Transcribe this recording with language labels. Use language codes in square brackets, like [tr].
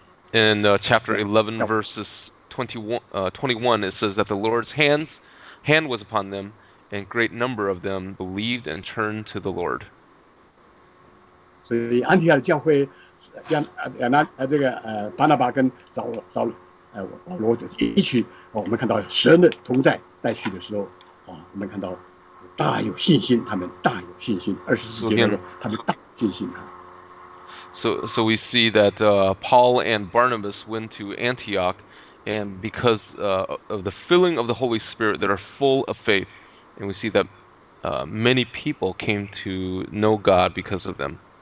[en] In chapter 11, verses 21, it says that the Lord's hand was upon them, and great number of them believed and turned to the Lord. So the Antioch [zh] 教会，亚拿这个巴拿巴跟扫罗一起，我们看到神的同在带去的时候，我们看到大有信心，他们大有信心，二十四节那个他们大信心啊。 [en] So we see that Paul and Barnabas went to Antioch, and because of the filling of the Holy Spirit, they are full of faith, and we see that many people came to know God because of them.